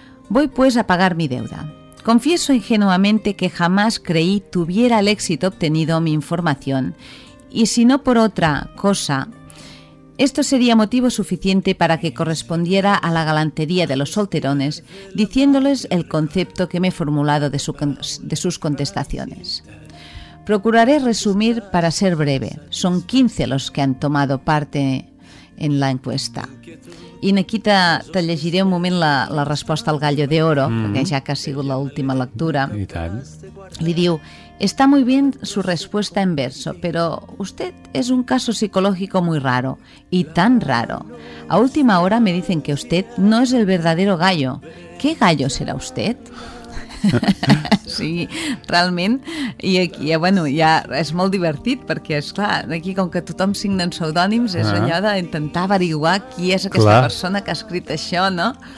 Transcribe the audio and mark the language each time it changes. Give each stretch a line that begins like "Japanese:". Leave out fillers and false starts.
Spanish: Voy pues a pagar mi deuda. Confieso ingenuamente que jamás creí tuviera el éxito obtenido mi información y si no por otra cosa, esto sería motivo suficiente para que correspondiera a la galantería de los solterones diciéndoles el concepto que me he formulado de sus contestaciones. Procuraré resumir para ser breve. Son 15 los que han tomado parte en la encuesta.
Catalan: I aquí te llegiré un moment la resposta al Gallo de Oro, perquè ja que ha sigut l'última lectura. I tant. Li diu,
Spanish: está muy bien su respuesta en verso, pero usted es un caso psicológico muy raro, y tan raro. A última hora me dicen que usted no es el verdadero gallo. ¿Qué gallo será usted?
Catalan: Sí, realment, i bueno, és molt divertit, perquè és clar, aquí com que tothom signen pseudònims, és allò d'intentar averiguar qui és aquesta clar. Persona que ha escrit això, no?